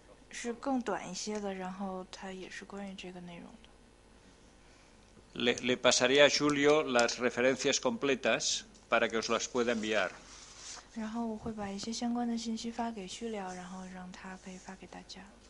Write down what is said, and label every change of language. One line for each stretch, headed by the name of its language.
Chinese: 是更短一些的，然后它也是关于这个内容的。
Spanish: Le pasaré a Julio las referencias completas para que os las pueda enviar.
Chinese: 然后我会把一些相关的信息发给Julio，然后让他可以发给大家。